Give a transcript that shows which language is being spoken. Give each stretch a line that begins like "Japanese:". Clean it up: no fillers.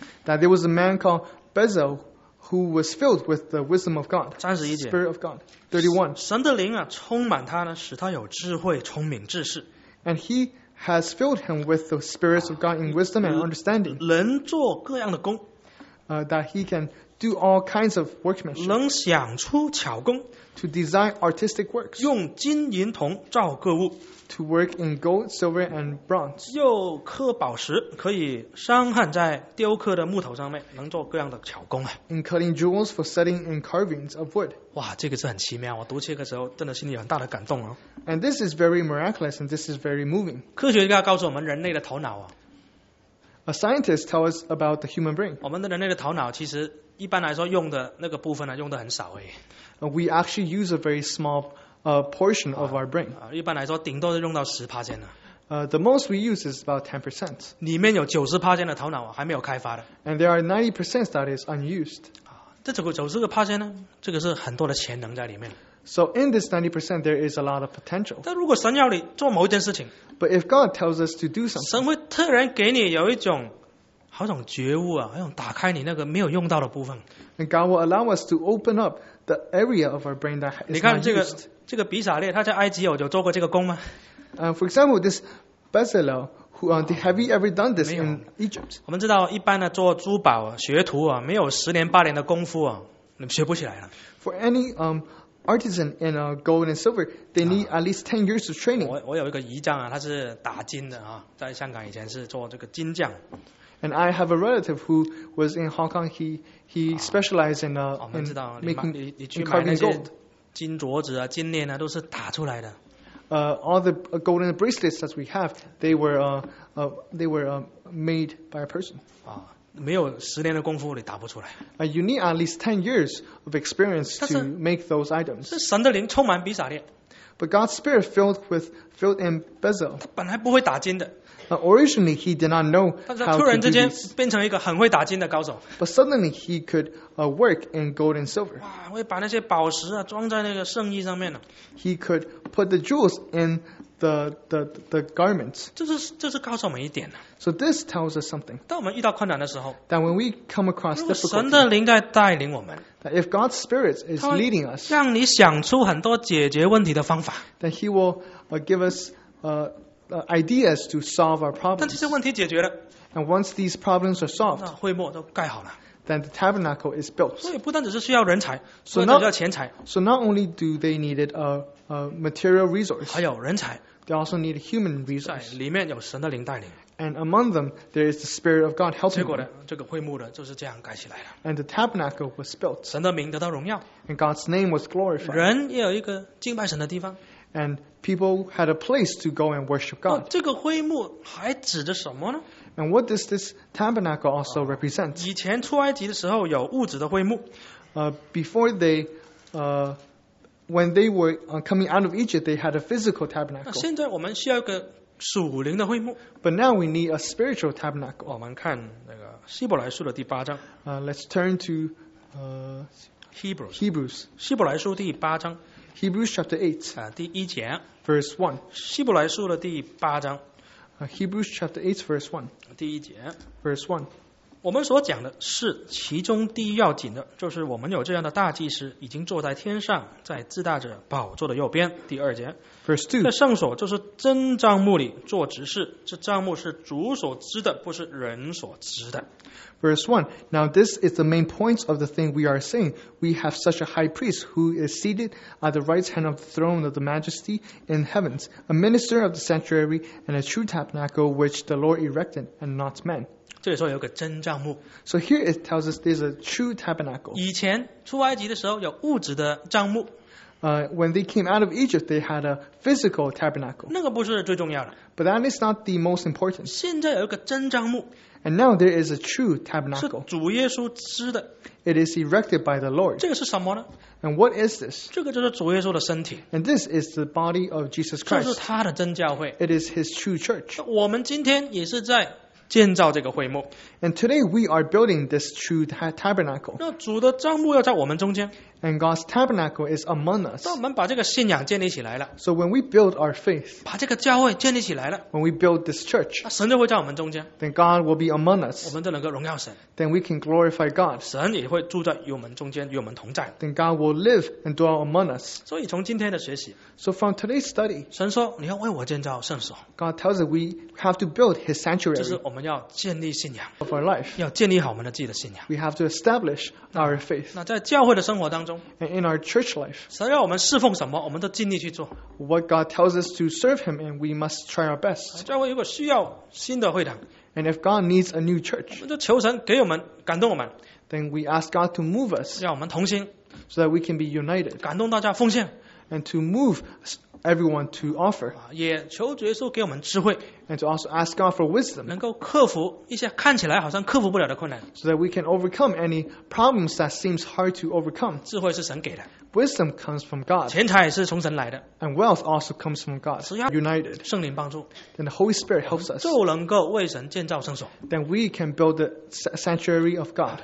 English: That there was a man called Bezalel, who was filled with the wisdom of God.
Chinese: 31节
English: Spirit of God. 31.
Chinese: 神的灵啊，充满他呢，使他有智慧、聪明、知识。
English: And he has filled him with the spirits of God in wisdom and understanding.
Chinese: 能做各样的工。
English: That he can do all kinds of workmanship.
Chinese: 能想出巧工。
English: To design artistic works.
Chinese: 用金银铜造各物。
English: To work in gold, silver, and bronze.
Chinese: 又刻宝石，可以镶嵌在雕刻的木头上面，能做各样的巧工啊。
English: In cutting jewels for setting and carvings of wood.
Chinese: 哇，这个是很奇妙。我读这个时候，真的心里有很大的感动哦。
English: And this is very miraculous, and this is very moving.
Chinese: 科学家告诉我们人类的头脑啊。
English: A scientist tells us about the human brain.
Chinese: 我们的人类的头脑其实一般来说用的那个部分呢，用的很少哎。
English: We actually use a very small a portion of our brain.
Chinese: 一般来说，顶多是用到十趴间的。
English: The most we use is about 10%.
Chinese: 里面有90%间的头脑还没有开发的。
English: And there are 90% that is unused.
Chinese: 这个90%呢，这个是很多的潜能在里面。
English: So in this 90%, there is a lot of potential.
Chinese: 但如果神要你做某一件事情
English: ，But if God tells us to do something,
Chinese: 神会突然给你有一种好种觉悟啊，好种打开你那个没有用到的部分。
English: And God will allow us to open up the area of our brain that is not used.
Chinese: 你看这个比撒列，他在埃及有做过这个工吗？
English: For example, this Bezalel, have you ever done this in Egypt?
Chinese: 我们知道，一般的做珠宝学徒啊，没有十年八年的功夫啊，你学不起来了。
English: For any artisan in gold and silver, they need at least 10 years of training.
Chinese: 我有一个姨丈啊，他是打金的啊，在香港以前是做这个金匠。
English: And I have a relative who was in Hong Kong. He specialized in carving gold.
Chinese: 金镯子啊，金链啊，都是打出来的。
English: All the golden bracelets that we have, they were made by a person.
Chinese: 啊，没有十年的功夫你打不出来。
English: You need at least 10 years of experience to make those items.
Chinese: 是神的灵充满比撒列。
English: But God's spirit filled in Bezalel.
Chinese: 他本来不会打金的。
English: Originally, he did not know how to do this.
Chinese: 但是突然变成一个很会打金的高手。
English: But suddenly, he could work in gold and silver.
Chinese: 哇，会把那些宝石啊装在那个圣衣上面呢。
English: He could put the jewels in the garments.
Chinese: 这是告诉我们一点呢。
English: So this tells us something.
Chinese: 当我们遇到困难的时候
English: ，that when we come across difficulty,
Chinese: 神的灵在带领我们。
English: That if God's spirit is leading us,
Chinese: 让你想出很多解决问题的方法。
English: That he will give us ideas to solve our problems.
Chinese: 但这些问题解决了
English: ，and once these problems are solved,
Chinese: 那会幕都盖好了
English: ，then the tabernacle is built.
Chinese: 所以不单只是需要人才，所以需要钱财。
English: So not only do they needed a material resource,
Chinese: 还有人才
English: ，they also need human resource.
Chinese: 在里面有神的灵带领
English: ，and among them there is the spirit of God helping.
Chinese: 结果呢，这个会幕呢就是这样盖起来的
English: ，and the tabernacle was built.
Chinese: 神的名得到荣耀
English: ，and God's name was glorified.
Chinese: 人也有一个敬拜神的地方。
English: And people had a place to go and worship God.
Chinese: 这个会幕还指着什么呢
English: ？And what does this tabernacle also represent?
Chinese: 以前出埃及的时候有物质的会幕。
English: Before they, when they were coming out of Egypt, they had a physical tabernacle.
Chinese: 那现在我们需要一个属灵的会幕。
English: But now we need a spiritual tabernacle.
Chinese: 我们看那个希伯来书的第八章。
English: Let's turn to Hebrews. Hebrews.
Chinese: 希伯来书第八章。
English: Hebrews chapter 8.
Chinese: 第一节。
English: Verse 1.
Chinese: 希伯来书的第八章。
English: Hebrews chapter 8, verse 1.
Chinese: 第一节。
English: Verse 1.
Chinese: 我们所讲的是其中第一要紧的，就是我们有这样的大祭司，已经坐在天上，在自大者宝座的右边。第二节
English: ，verse two，
Chinese: 那圣所就是真帐幕里做执事，这帐幕是主所知的，不是人所知的。
English: Verse one. Now this is the main point of the thing we are saying. We have such a high priest who is seated at the right hand of the throne of the Majesty in heavens, a minister of the sanctuary and a true tabernacle which the Lord erected and not men.
Chinese: 这里说有个真帐幕。
English: So here it tells us there's a true tabernacle.
Chinese: 以前出埃及的时候有物质的帐幕。
English: When they came out of Egypt, they had a physical tabernacle.
Chinese: 那个不是最重要的。
English: But that is not the most important.
Chinese: 现在有一个真帐幕。
English: And now there is a true tabernacle.
Chinese: 是主耶稣织的。
English: It is erected by the Lord.
Chinese: 这个是什么呢？
English: And what is this?
Chinese: 这个就是主耶稣的身体。
English: And this is the body of Jesus Christ.
Chinese: 这是他的真教会。
English: It is his true church.
Chinese: 我们今天也是在建造这个会幕。
English: And today we are building this true tabernacle.
Chinese: 那主的帐幕要在我们中间。
English: And God's tabernacle is among us.
Chinese: 当我们把这个信仰建立起来了。
English: So when we build our faith.
Chinese: 把这个教会建立起来了。
English: When we build this church.
Chinese: 那神就会在我们中间。
English: Then God will be among us.
Chinese: 我们就能够荣耀神。
English: Then we can glorify God.
Chinese: 神也会住在与我们中间，与我们同在。
English: Then God will live and dwell among us.
Chinese: 所以从今天的学习。
English: So from today's study.
Chinese: 神说你要为我建造圣所。
English: God tells us we have to build his sanctuary.
Chinese: 就是我们要建立信仰。
English: Of our life.
Chinese: 要建立好我们的自己的信仰。
English: We have to establish our faith.
Chinese: 那在教会的生活当中。
English: And in our church life,
Chinese: 神要我们侍奉什么，我们都尽力去做。
English: What God tells us to serve Him, and we must try our best.
Chinese: 教会如果需要新的会堂
English: ，and if God needs a new church,
Chinese: 我们就求神给我们感动我们。
English: Then we ask God to move us,
Chinese: 让我们同心
English: ，so that we can be united.
Chinese: 感动大家奉献
English: ，and to move everyone to offer.
Chinese: 也求主耶稣给我们智慧
English: ，and to also ask God for wisdom,
Chinese: 能够克服一些看起来好像克服不了的困难
English: ，so that we can overcome any problems that seems hard to overcome.
Chinese: 智慧是神给的
English: ，wisdom comes from God.
Chinese: 钱财也是从神来的
English: ，and wealth also comes from God. United,
Chinese: 圣灵帮助
English: ，then the Holy Spirit helps us.
Chinese: 就能够为神建造圣所
English: ，then we can build the sanctuary of God.